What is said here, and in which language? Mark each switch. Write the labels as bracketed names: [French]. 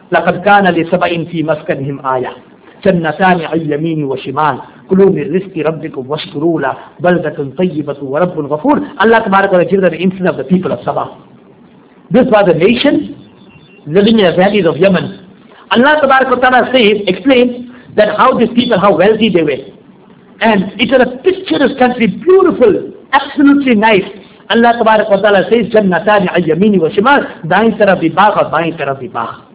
[Arabic] لَقَدْ كَانَ لِسَبَئٍ فِي مَسْكَنِهِمْ آيَةٍ جنتان عن يمين وشمال كلوا من رزق ربكم واشكروا له بلدة طيبة ورب غفور. [English] Allah tabarak wa ta'ala, the incident of the people of Sabah. This was a nation living in the valleys of Yemen. Allah tabarak wa ta'ala says, explains that how these people, how wealthy they were. And it is a picturesque country, beautiful, absolutely nice. Allah tabarak wa ta'ala says, [Arabic] جنتان عن يمين وشمال [Urdu] دائن طرف باغ اور بائن طرف باغ.